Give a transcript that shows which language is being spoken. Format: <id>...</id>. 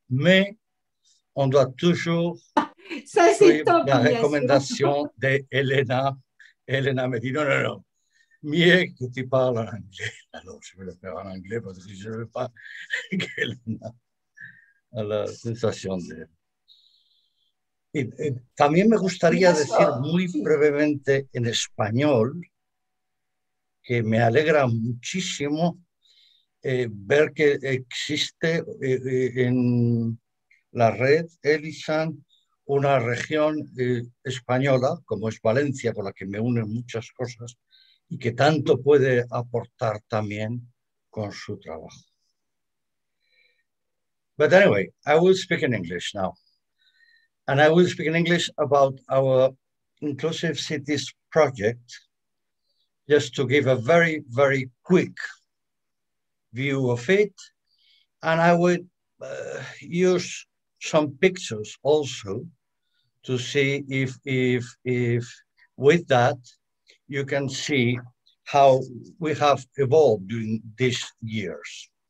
<fr>Mais on doit toujours ça, c'est top, la recommandation d'Elena. Elena me dit non, mieux que tu parles en anglais. Alors je vais le faire en anglais parce que je ne veux pas qu'Elena ait la sensation de.</fr> <es>También me gustaría decir muy brevemente en español que me alegra muchísimo ver que existe en la red ELISAN una región española, como es Valencia, con la que me unen muchas cosas y que tanto puede aportar también con su trabajo.</es> <en>But anyway, I will speak in English now. And I will speak in English about our Inclusive Cities project, just to give a very, very quick view of it. And I would use some pictures also to see if with that you can see how we have evolved during these years.</en>